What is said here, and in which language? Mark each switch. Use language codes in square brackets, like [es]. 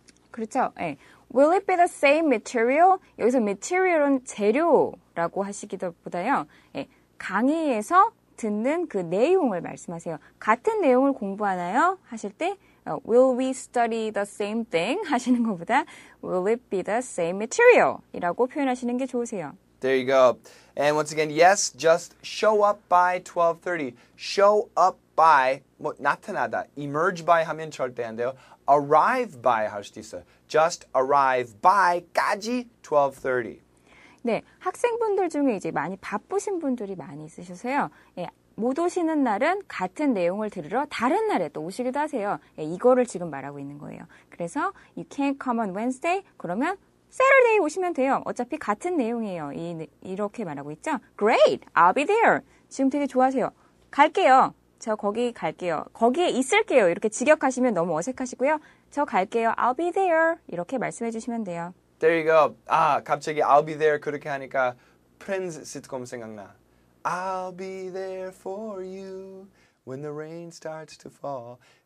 [ko] 그렇죠. 네. [en] Will it be the same material? [ko] 여기서 material은 재료라고 하시기보다요. 네. 강의에서 듣는 그 내용을 말씀하세요. 같은 내용을 공부하나요? 하실 때 [en] Will we study the same thing? [ko] 하시는 것보다 [en] Will it be the same material? [ko] 이라고 표현하시는 게 좋으세요. [en] There you go. And once again, yes, just show up by 12:30. Show up by, [ko] 뭐, 나타나다. [en] Emerge by [ko] 하면 절대 안 돼요. [en] Arrive by [ko] 할 수도 있어요. [en] Just arrive by [ko] 까지 12:30. 네, 학생분들 중에 이제 많이 바쁘신 분들이 많이 있으셔서요. 예, 못 오시는 날은 같은 내용을 들으러 다른 날에 또 오시기도 하세요. 예, 이거를 지금 말하고 있는 거예요. 그래서 [en] you can't come on Wednesday, [ko] 그러면 [en] Saturday [ko] 오시면 돼요. 어차피 같은 내용이에요. 이렇게 말하고 있죠. [en] Great, I'll be there. [ko] 지금 되게 좋아하세요. 갈게요. 저 거기 갈게요. 거기에 있을게요. 이렇게 직역하시면 너무 어색하시고요. 저 갈게요. [en] I'll be there. [ko] 이렇게 말씀해 주시면 돼요. [en] There you go. [ko] 아, 갑자기 [en] I'll be there [ko] 그렇게 하니까 프렌즈 시트콤 생각나. [en] I'll be there for you when the rain starts to fall.